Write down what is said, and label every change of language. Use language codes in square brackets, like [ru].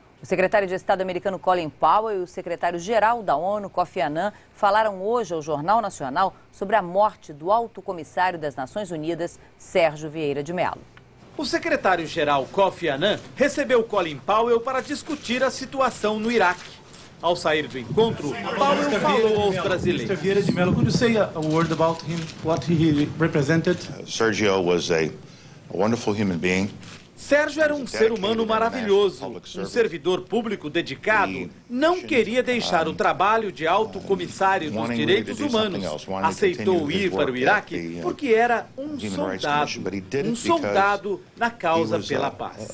[pt] O secretário de Estado americano Colin Powell e o secretário-geral da ONU, Kofi Annan, falaram hoje ao Jornal Nacional sobre a morte do alto comissário das Nações Unidas, Sérgio Vieira de Mello. O secretário-geral Kofi Annan recebeu Colin Powell para discutir a situação no Iraque. Ao sair do encontro, Powell falou aos brasileiros. [en] Mr. Vieira de Mello, could you say a word about him, what he represented? Sergio was a wonderful human being. [pt] Sérgio era um ser humano maravilhoso, um servidor público dedicado. Não queria deixar o trabalho de alto comissário dos direitos humanos. Aceitou ir para o Iraque porque era um soldado na causa pela paz.